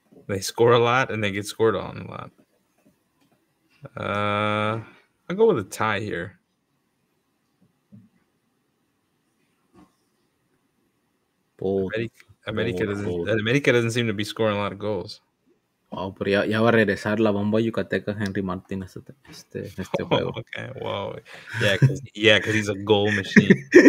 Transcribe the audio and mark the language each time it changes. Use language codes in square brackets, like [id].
[en] They score a lot and they get scored on a lot. I'll go with a tie here. Bold. America doesn't seem to be scoring a lot of goals. [es] Oh, pero ya va a regresar la bomba yucateca Henry Martin este juego. [en] Oh, okay, wow. Yeah, because he's a goal machine.